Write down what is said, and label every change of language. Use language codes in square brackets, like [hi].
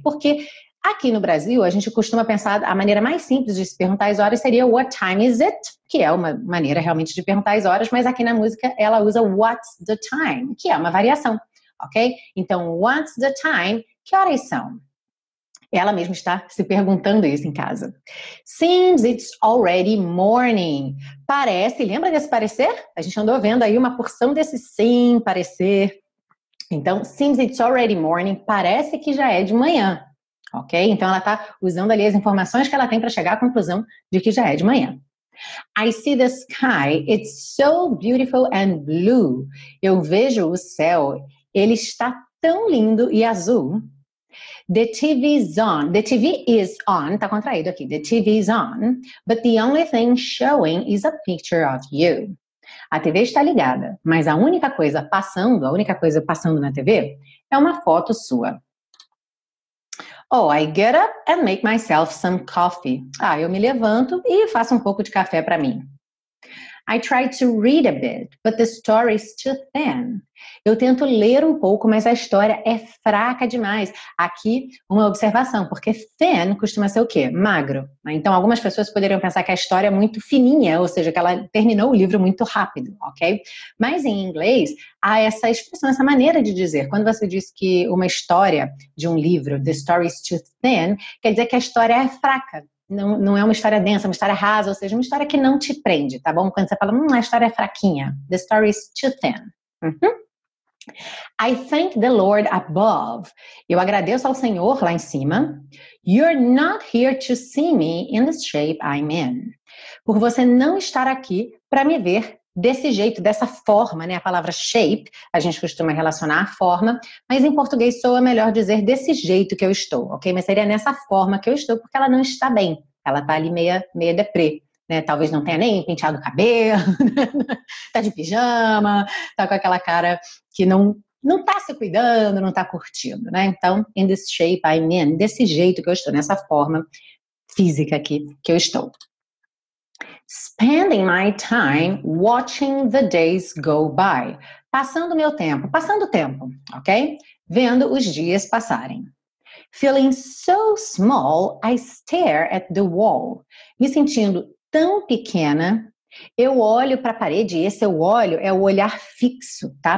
[pt] Porque aqui no Brasil, a gente costuma pensar, a maneira mais simples de se perguntar as horas seria [en] what time is it? [pt] Que é uma maneira realmente de perguntar as horas, mas aqui na música ela usa [en] what's the time? [pt] Que é uma variação, ok? Então, [en] what's the time? [pt] Que horas são? Ela mesma está se perguntando isso em casa. [en] Seems it's already morning. [pt] Parece, lembra desse parecer? A gente andou vendo aí uma porção desse sim, parecer. Então, [en] seems it's already morning, [pt] parece que já é de manhã, ok? Então, ela está usando ali as informações que ela tem para chegar à conclusão de que já é de manhã. [en] I see the sky, it's so beautiful and blue. [pt] Eu vejo o céu, ele está tão lindo e azul. [en] The TV is on, the TV is on, [pt] tá contraído aqui, [en] the TV is on, but the only thing showing is a picture of you. [pt] A TV está ligada, mas a única coisa passando na TV é uma foto sua. [en] Oh, I get up and make myself some coffee. [pt] Ah, eu me levanto e faço um pouco de café para mim. [en] I try to read a bit, but the story is too thin. [pt] Eu tento ler um pouco, mas a história é fraca demais. Aqui, uma observação, porque thin costuma ser o quê? Magro. Então, algumas pessoas poderiam pensar que a história é muito fininha, ou seja, que ela terminou o livro muito rápido, ok? Mas, em inglês, há essa expressão, essa maneira de dizer. Quando você diz que uma história de um livro, [en] the story is too thin, [pt] quer dizer que a história é fraca. Não é uma história densa, uma história rasa, ou seja, uma história que não te prende, tá bom? Quando você fala, a história é fraquinha. [en] The story is too thin. I thank the Lord above. [pt] Eu agradeço ao Senhor lá em cima. [en] You're not here to see me in the shape I'm in. [pt] Por você não estar aqui para me ver desse jeito, dessa forma, né? A palavra shape, a gente costuma relacionar a forma, mas em português soa melhor dizer desse jeito que eu estou, ok? Mas seria nessa forma que eu estou, porque ela não está bem. Ela tá ali meia deprê, né? Talvez não tenha nem penteado o cabelo, tá de pijama, tá com aquela cara que não tá se cuidando, não tá curtindo, né? Então, [en] in this shape I'm in, [pt] desse jeito que eu estou, nessa forma física aqui que eu estou. [en] Spending my time watching the days go by. [pt] Passando meu tempo, passando o tempo, ok? Vendo os dias passarem. [en] Feeling so small, I stare at the wall. [pt] Me sentindo tão pequena, eu olho para a parede, e esse eu olho é o olhar fixo, tá?